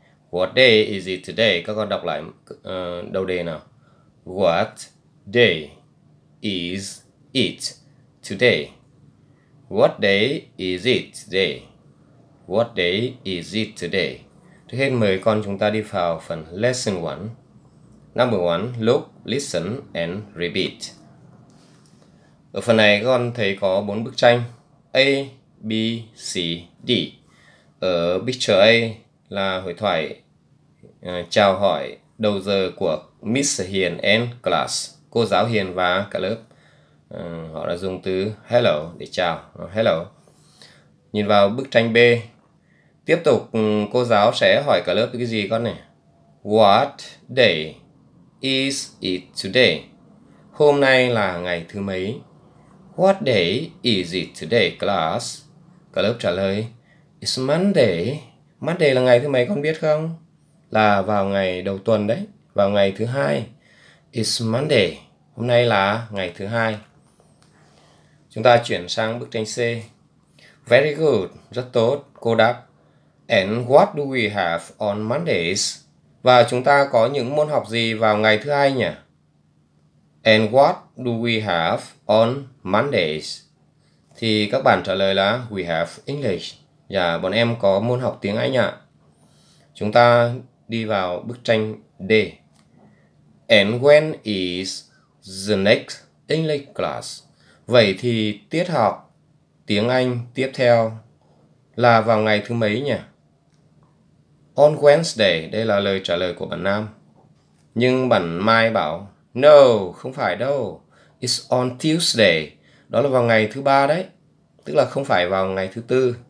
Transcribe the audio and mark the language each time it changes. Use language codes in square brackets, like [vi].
[en] What day is it today? [vi] Các con đọc lại đầu đề nào. [en] What day is it today? What day is it today? What day is it today? [vi] Trước hết mời con chúng ta đi vào phần Lesson 1. [en] Number 1, look, listen and repeat. [vi] Ở phần này các con thấy có 4 bức tranh A, B, C, D. Ở picture A là hội thoại chào hỏi đầu giờ của Miss Hiền and class. Cô giáo Hiền và cả lớp. Họ đã dùng từ hello để chào. Hello. Nhìn vào bức tranh B. Tiếp tục cô giáo sẽ hỏi cả lớp cái gì con này? [en] What day is it today? [vi] Hôm nay là ngày thứ mấy? [en] What day is it today, class? [vi] Cả lớp trả lời, [en] it's Monday. [vi] Monday là ngày thứ mấy con biết không? Là vào ngày đầu tuần đấy, vào ngày thứ hai. [en] It's Monday. [vi] Hôm nay là ngày thứ hai. Chúng ta chuyển sang bức tranh C. [en] Very good. [vi] Rất tốt. Cô đáp, [en] and what do we have on Mondays? [vi] Và chúng ta có những môn học gì vào ngày thứ hai nhỉ? [en] And what do we have on Mondays? [vi] Thì các bạn trả lời là [en] we have English. [vi] Dạ, bọn em có môn học tiếng Anh ạ. Chúng ta đi vào bức tranh D. [en] And when is the next English class? [vi] Vậy thì tiết học tiếng Anh tiếp theo là vào ngày thứ mấy nhỉ? [en] On Wednesday, [vi] đây là lời trả lời của bạn Nam. Nhưng bạn Mai bảo, no, không phải đâu. [en] It's on Tuesday. [vi] Đó là vào ngày thứ ba đấy. Tức là không phải vào ngày thứ tư.